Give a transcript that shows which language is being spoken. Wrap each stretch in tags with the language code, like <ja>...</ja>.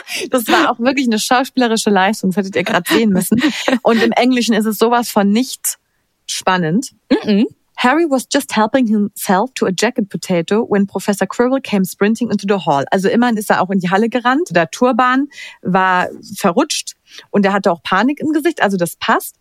<de>Das war auch wirklich eine schauspielerische Leistung, das hättet ihr gerade sehen müssen. Und im Englischen ist es sowas von nicht spannend. Mm-mm.</de> <en>Harry was just helping himself to a jacket potato when Professor Quirrell came sprinting into the hall.</en> <de>Also immerhin ist er auch in die Halle gerannt. Der Turban war verrutscht und er hatte auch Panik im Gesicht, also das passt.</de>